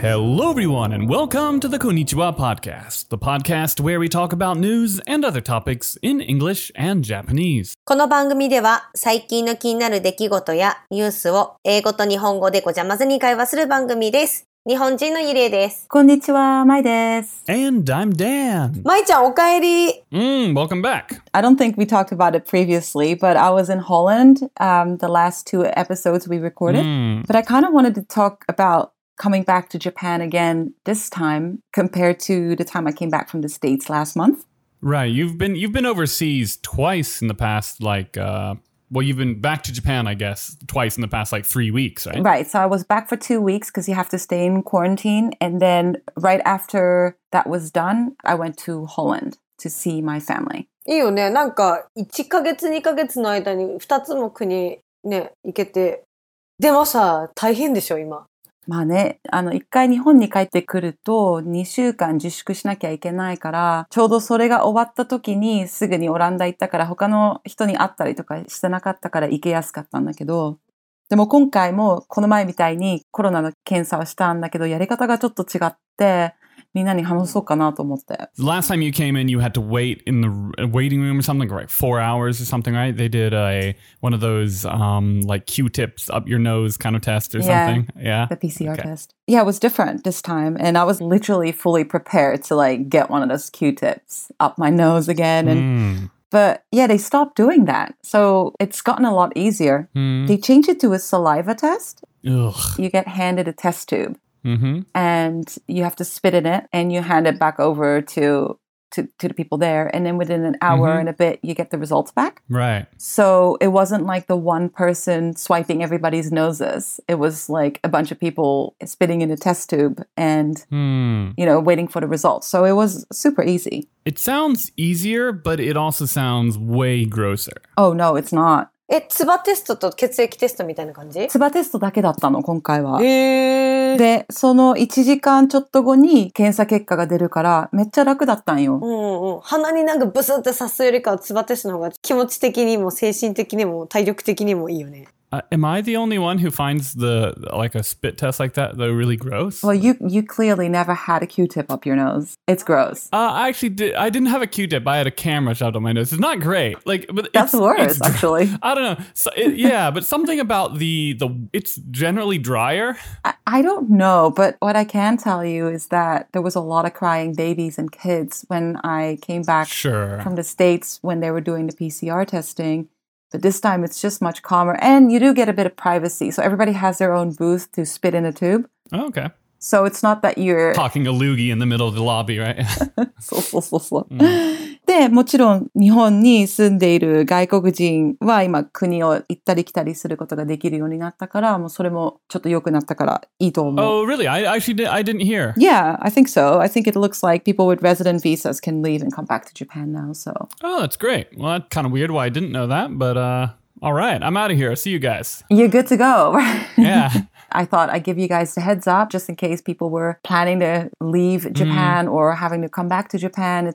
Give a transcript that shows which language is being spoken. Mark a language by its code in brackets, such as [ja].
[en] Hello everyone and welcome to the Konnichiwa Podcast, the podcast where we talk about news and other topics in English and Japanese. [ja] この番組では最近の気になる出来事やニュースを英語と日本語でごちゃ混ぜに会話する番組です。日本人のゆりえです。こんにちは、まいです。 [en] And I'm Dan. [ja] まいちゃん、おかえり。 [en] Welcome back. I don't think we talked about it previously, but I was in Holland, the last two episodes we recorded. But I kind of wanted to talk about coming back to Japan again this time compared to the time I came back from the States last month. Right. You've been overseas twice in the past, like, Well, you've been back to Japan, I guess, twice in the past, like, 3 weeks, right? Right. So I was back for 2 weeks because you have to stay in quarantine. And then right after that was done, I went to Holland to see my family. [ja] いいよね。なんか1ヶ月、2ヶ月の間に2つも国ね、行けて。でもさ、大変でしょ、今。まあね、1回日本に帰ってくると2週間自粛しなきゃいけないから、ちょうどそれが終わった時にすぐにオランダ行ったから、他の人に会ったりとかしてなかったから行けやすかったんだけど、でも今回もこの前みたいにコロナの検査をしたんだけど、やり方がちょっと違って、みんなに話そうかなと思って。 [en] The last time you came in, you had to wait in the waiting room or something, right? 4 hours or something, right? They did one of those like Q-tips up your nose kind of test or something. Yeah, the PCR test. Yeah, it was different this time. And I was literally fully prepared to like get one of those Q-tips up my nose again. And, but yeah, they stopped doing that. So it's gotten a lot easier. They changed it to a saliva test. Ugh. You get handed a test tube. Mm-hmm. And you have to spit in it and you hand it back over to the people there. And then within an hour and a bit, you get the results back. Right. So it wasn't like the one person swiping everybody's noses. It was like a bunch of people spitting in a test tube and, you know, waiting for the results. So it was super easy. It sounds easier, but it also sounds way grosser. Oh, no, it's not. [ja] え、ツバテストと血液テストみたいな感じ？ツバテストだけだったの、今回は。へー。で、その1時間ちょっと後に検査結果が出るから、めっちゃ楽だったんよ。うんうん。鼻になんかブスって刺すよりかは、ツバテストの方が気持ち的にも精神的にも体力的にもいいよね。 [en] Am I the only one who finds the, like a spit test like that, though, really gross? Well, you clearly never had a Q-tip up your nose. It's gross. I actually did. I didn't have a Q-tip. I had a camera shoved up my nose. It's not great. Like, but that's worse, actually. I don't know. So it, yeah, but something about the it's generally drier. I don't know. But what I can tell you is that there was a lot of crying babies and kids when I came back from the States when they were doing the PCR testing. But this time it's just much calmer and you do get a bit of privacy. So everybody has their own booth to spit in a tube. Oh, okay. So it's not that you're... talking a loogie in the middle of the lobby, right? [ja] そうそうそうそう。で、もちろん日本に住んでいる外国人は今国を行ったり来たりすることができるようになったから、もうそれもちょっと良くなったからいいと思う。 [en] Oh, really? I didn't hear. Yeah, I think so. I think it looks like people with resident visas can leave and come back to Japan now, so... Oh, that's great. Well, that's kind of weird why I didn't know that, but... All right, I'm out of here. See you guys. You're good to go. Yeah. I thought I'd give you guys the heads up just in case people were planning to leave Japan or having to come back to Japan.